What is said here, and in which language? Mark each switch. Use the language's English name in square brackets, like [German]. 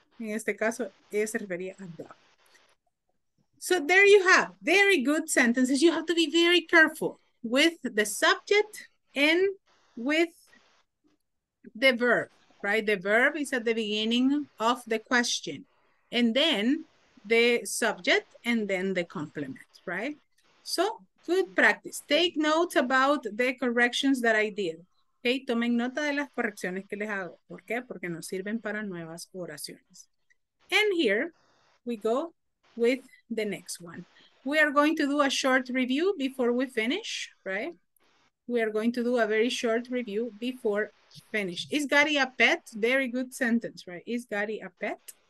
[Spanish] En este caso, ella se refería a dog. [English] So there you have very good sentences. You have to be very careful with the subject and with the verb, right? The verb is at the beginning of the question, and then the subject, and then the complement, right? So good practice. Take notes about the corrections that I did. [Spanish] Okay, tomen nota de las correcciones que les hago. ¿Por qué? Porque nos sirven para nuevas oraciones. [English] And here we go with the next one. We are going to do a short review before we finish, right? We are going to do a very short review before finish. Is Gary a pet? Very good sentence, right? Is Gary a pet?